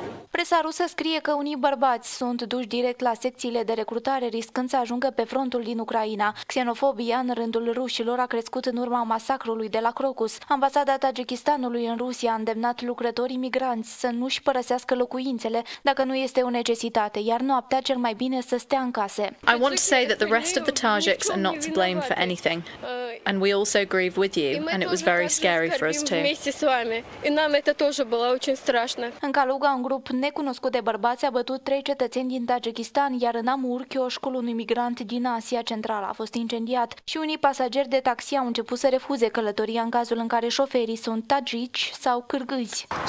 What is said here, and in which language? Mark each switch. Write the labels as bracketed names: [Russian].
[Romanian] Presa rusă scrie că unii bărbați sunt duși direct la secțiile de recrutare, riscând să ajungă pe frontul din Ucraina. Xenofobia în rândul rușilor a crescut în urma masacrului de la Crocus. Ambasada Tajikistanului în Rusia a îndemnat lucrătorii migranți să nu-și părăsească locuințele dacă nu este o necesitate, iar noaptea cel mai bine să stea în case. [English] I want to say that the rest of the Tajiks are not to blame for anything. And we also grieve with you, and it was very scary for us too. [Romanian] În Kaluga, un grup necunoscut de bărbați a bătut 3 cetățeni din Tajikistan, iar în Amur, chioșcul unui migrant din Asia Centrală a fost incendiat și unii pasageri de taxi au început să refuze călătoria în cazul în care șoferii sunt tajici sau cârgâzi.